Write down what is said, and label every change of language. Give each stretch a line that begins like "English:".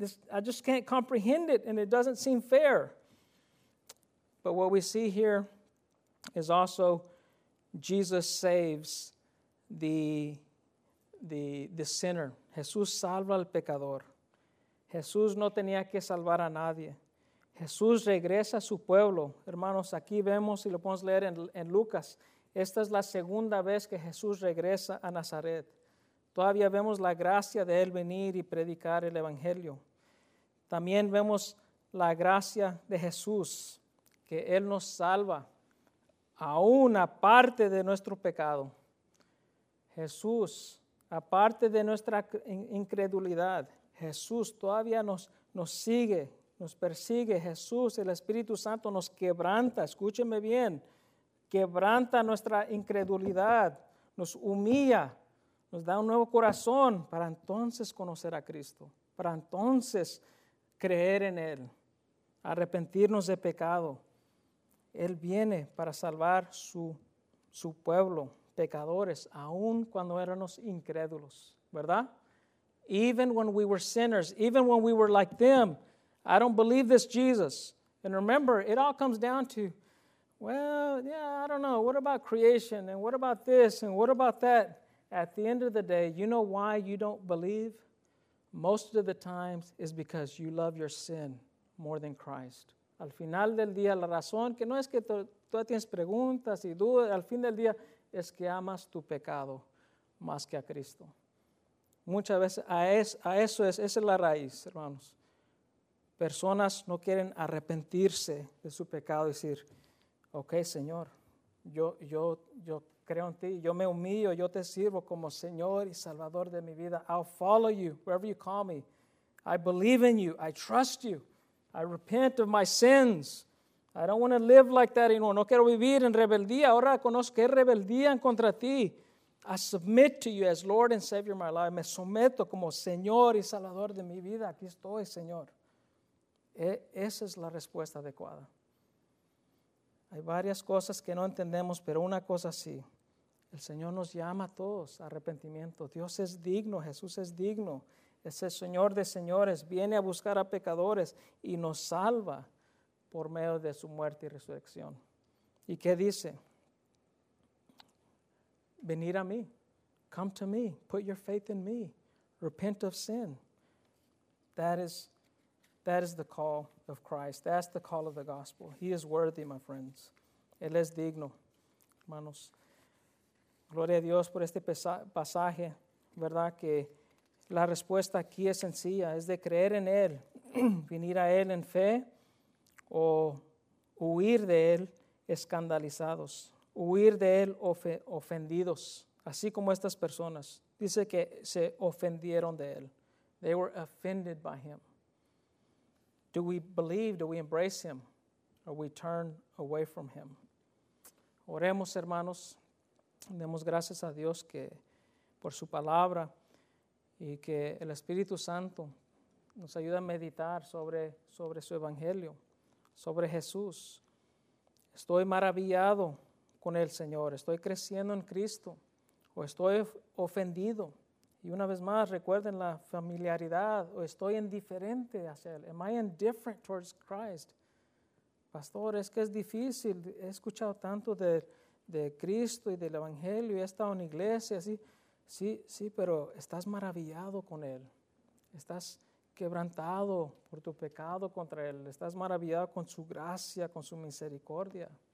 English: I just can't comprehend it, and it doesn't seem fair. But what we see here is also Jesus saves the sinner.
Spanish: Jesús salva al pecador. Jesús no tenía que salvar a nadie. Jesús regresa a su pueblo. Hermanos, aquí vemos, y lo podemos leer en Lucas, esta es la segunda vez que Jesús regresa a Nazaret. Todavía vemos la gracia de Él venir y predicar el Evangelio. También vemos la gracia de Jesús, que Él nos salva aún aparte de nuestro pecado. Jesús, aparte de nuestra incredulidad, Jesús todavía nos sigue, nos persigue. Jesús, el Espíritu Santo, nos quebranta, escúcheme bien, quebranta nuestra incredulidad, nos humilla, nos da un nuevo corazón para entonces conocer a Cristo, para entonces creer en Él, arrepentirnos de pecado. Él viene para salvar su pueblo, pecadores, aun cuando éramos incrédulos, ¿verdad?
English: Even when we were sinners, even when we were like them, I don't believe this Jesus. And remember, it all comes down to, I don't know, what about creation, and what about this, and what about that? At the end of the day, you know why you don't believe? Most of the times is because you love your sin more than Christ.
Spanish: Al final del día, la razón que no es que tú tienes preguntas y dudas, al fin del día es que amas tu pecado más que a Cristo. Muchas veces esa es la raíz, hermanos. Personas no quieren arrepentirse de su pecado y decir, ok, Señor, yo creo en ti, yo me humillo, yo te sirvo como Señor y Salvador de mi vida.
English: I'll follow you wherever you call me. I believe in you. I trust you. I repent of my sins. I don't want to live like that anymore.
Spanish: No quiero vivir en rebeldía. Ahora conozco rebeldía en contra ti.
English: I submit to you as Lord and Savior of my life.
Spanish: Me someto como Señor y Salvador de mi vida. Aquí estoy, Señor. Esa es la respuesta adecuada. Hay varias cosas que no entendemos, pero una cosa sí. El Señor nos llama a todos a arrepentimiento. Dios es digno, Jesús es digno. Es el Señor de señores, viene a buscar a pecadores y nos salva por medio de su muerte y resurrección. ¿Y qué dice? Venir a mí.
English: Come to me. Put your faith in me. Repent of sin. That is the call of Christ. That's the call of the gospel. He is worthy, my friends.
Spanish: Él es digno, hermanos. Gloria a Dios por este pasaje, ¿verdad? Que la respuesta aquí es sencilla, es de creer en Él, venir a Él en fe o huir de Él escandalizados, huir de Él ofendidos, así como estas personas. Dice que se ofendieron de Él.
English: They were offended by Him. Do we believe? Do we embrace him? Or we turn away from him?
Spanish: Oremos, hermanos. Demos gracias a Dios que por su palabra y que el Espíritu Santo nos ayuda a meditar sobre su evangelio, sobre Jesús. Estoy maravillado con el Señor. Estoy creciendo en Cristo. O estoy ofendido. Y una vez más, recuerden la familiaridad. O estoy indiferente hacia él.
English: Am I indifferent towards Christ?
Spanish: Pastor, es que es difícil. He escuchado tanto de Cristo y del evangelio. He estado en iglesia. Sí, pero estás maravillado con él. Estás quebrantado por tu pecado contra él. Estás maravillado con su gracia, con su misericordia.